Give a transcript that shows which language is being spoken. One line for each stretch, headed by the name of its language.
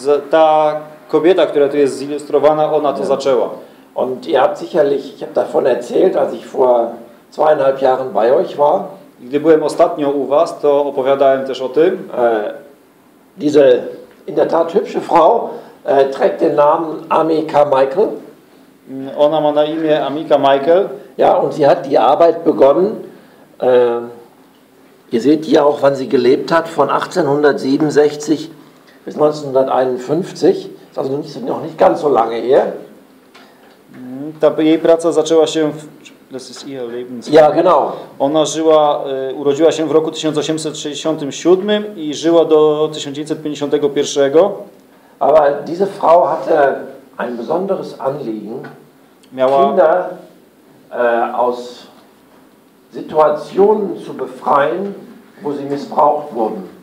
Polish: Ta kobieta, która tu jest zilustrowana, ona to zaczęła.
German: Und ihr habt sicherlich, ich habe davon erzählt, als ich vor 2,5 Jahren bei euch war.
Polish: Gdy byłem ostatnio u was, to opowiadałem też o tym.
German: Diese in der Tat hübsche Frau trägt den Namen Ami Carmichael.
Polish: Ona ma na imię Amika Michael.
German: Ja, und sie hat die Arbeit begonnen. Ihr seht hier auch, wann sie gelebt hat, von 1867 bis 1951. Das ist also noch nicht ganz so lange her.
Polish: Ta jej praca zaczęła się w,
German: das ist ihr Lebensjahr. Ja, genau.
Polish: Ona żyła, urodziła się w roku 1867 i żyła do 1951.
German: Aber diese Frau hatte ein besonderes Anliegen, Kinder aus Situationen zu befreien, wo sie missbraucht wurden.